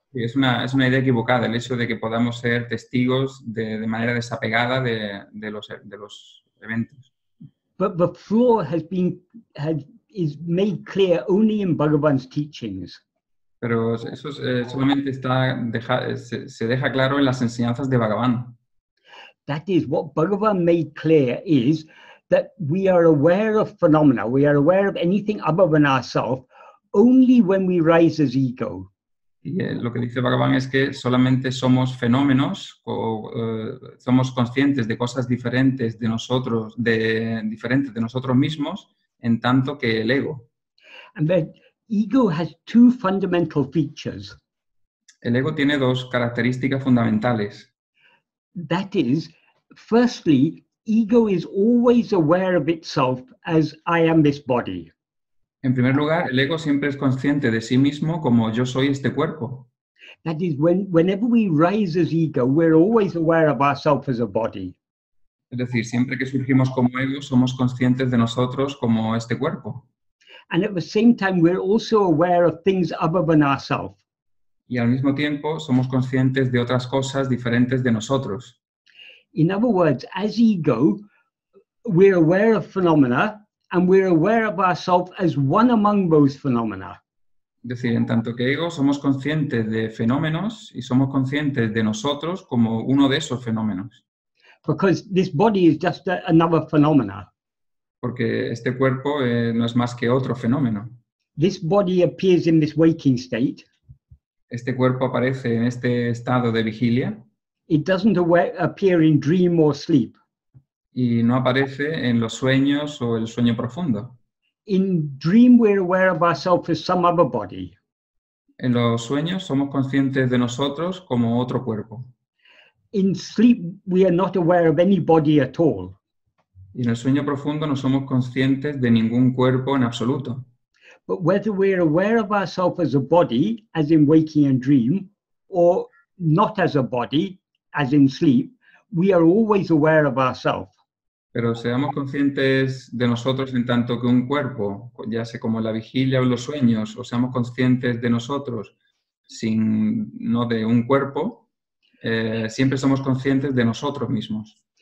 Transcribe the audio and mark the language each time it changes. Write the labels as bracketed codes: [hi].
[es] Sí, es una idea equivocada el hecho de que podamos ser testigos de manera desapegada de los eventos. [en] But the flaw has been is made clear only in Bhagavan's teachings. [es] Pero eso es, solamente está deja, se deja claro en las enseñanzas de Bhagavan. [en] That is what Bhagavan made clear is that we are aware of phenomena, we are aware of anything other than ourselves, only when we rise as ego. [es] Y lo que dice Bhagavan es que solamente somos fenómenos o somos conscientes de cosas diferentes de nosotros, de diferentes de nosotros mismos, en tanto que el ego. [en] And the ego has two fundamental features. [es] El ego tiene dos características fundamentales. [en] That is, firstly, ego is always aware of itself as I am this body. [es] En primer lugar, el ego siempre es consciente de sí mismo como yo soy este cuerpo. [en] That is, whenever we rise as ego, we're always aware of ourselves as a body. [es] Es decir, siempre que surgimos como ego, somos conscientes de nosotros como este cuerpo. [en] And at the same time, we're also aware of things other than ourselves. [es] Y al mismo tiempo, somos conscientes de otras cosas diferentes de nosotros. [en] In other words, as ego, we're aware of phenomena, and we're aware of ourselves as one among those phenomena. [es] Es decir, en tanto que ego, somos conscientes de fenómenos y somos conscientes de nosotros como uno de esos fenómenos. [en] Because this body is just another phenomena. [es] Porque este cuerpo no es más que otro fenómeno. [en] This body appears in this waking state. [es] Este cuerpo aparece en este estado de vigilia. [en] It doesn't appear in dream or sleep. [es] Y no aparece en los sueños o el sueño profundo. [en] In dream, we're aware of ourselves as some other body. [es] En los sueños somos conscientes de nosotros como otro cuerpo. [en] In sleep, we are not aware of any body at all. [es] Y en el sueño profundo no somos conscientes de ningún cuerpo en absoluto. [en] But whether we're aware of ourselves as a body, as in waking and dream, or not as a body, as in sleep, we are always aware of ourselves. [es] Pero seamos conscientes de nosotros en tanto que un cuerpo, ya sea como la vigilia o los sueños, o seamos conscientes de nosotros sin no de un cuerpo, siempre somos conscientes de nosotros mismos.